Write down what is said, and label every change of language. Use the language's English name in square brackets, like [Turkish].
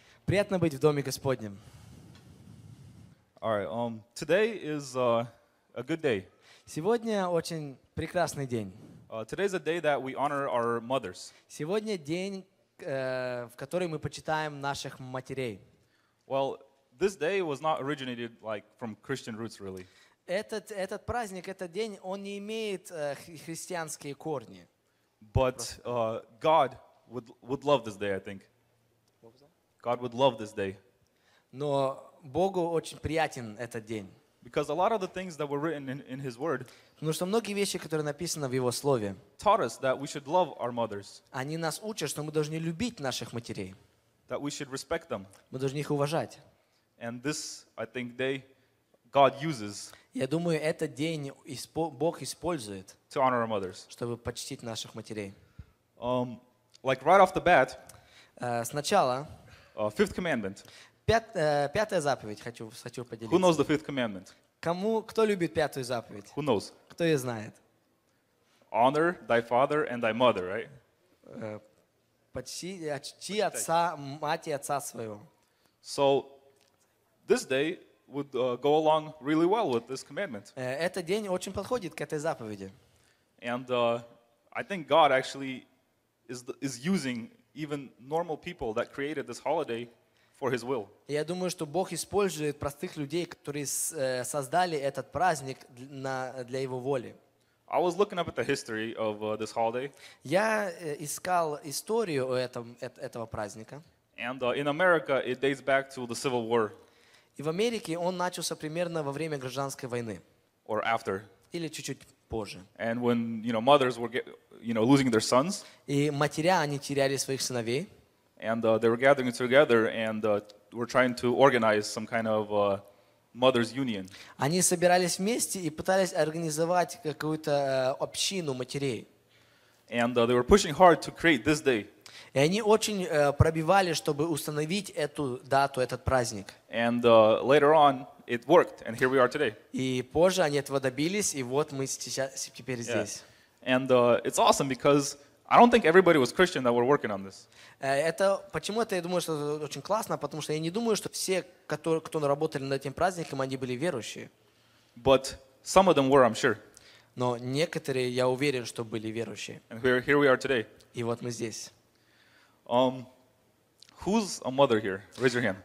[Russian] Приятно быть в доме Господнем. [English] All right. Today is a good day. [Russian] Сегодня очень прекрасный день. [English] Today is a day that we honor our mothers. [Russian] Сегодня день, в который мы почитаем наших матерей. [English] Well, this day was not originated like from Christian roots, really. [Russian] Этот праздник, этот день, он не имеет христианские корни. [English] But God would love this day, I think. God would love this day. [Russian] Но Богу очень приятен этот день. [English] Because a lot of the things that were written in His Word. [Russian] Потому что многие вещи, которые написаны в Его Слове. [English] Taught us that we should love our mothers. [Russian] Они нас учат, что мы должны любить наших матерей. [English] That we should respect them. [Russian] Мы должны их уважать. [English] And this, I think, day God uses. [Russian] Я думаю, этот день Бог использует. [English] To honor our mothers. [Russian] Чтобы почтить наших матерей. [English] Like right off the bat. [Russian] Сначала. [English] Fifth commandment. [Russian] Пятая заповедь хочу поделиться. [English] Who knows the fifth commandment? [Russian] Кто любит пятую заповедь? [English] Who knows? [Russian] Кто ее знает? [English] Honor thy father and thy mother, right? [Russian] Почти отца, мать и отца своего. [English] So, this day would go along really well with this commandment. [Russian] Этот день очень подходит к этой заповеди. [English] And I think God actually is using even normal people that created this holiday for His will. [Russian] Я думаю, что Бог использует простых людей, которые создали этот праздник для Его воли. [English] I was looking up at the history of this holiday. [Russian] Я искал историю этого праздника. [English] And in America, it dates back to the Civil War. [Russian] И в Америке он начался примерно во время гражданской войны. [English] Or after. [Russian] Или чуть-чуть позже. [English] And when mothers were losing their sons. [Russian] И матеря, они теряли своих сыновей. [English] And they were gathering together and were trying to organize some kind of Mother's Union. [Russian] Они собирались вместе и пытались организовать какую-то общину матерей. [English] And they were pushing hard to create this day. [Russian] И они очень пробивали, чтобы установить эту дату, этот праздник. [English] And later on, it worked, and here we are today. [Russian] И позже они этого добились, и вот мы сейчас теперь здесь. [English] Yeah. And it's awesome because I don't think everybody was Christian that were working on this. [Russian] Это почему-то я думаю, что это очень классно, потому что я не думаю, что все, кто работали над этим праздником, они были верующие. [English] But some of them were, I'm sure. [Russian] Но некоторые, я уверен, что были верующие. [English] And here we are today. [Russian] И вот мы здесь. [English] Who's a mother here? Raise your hand.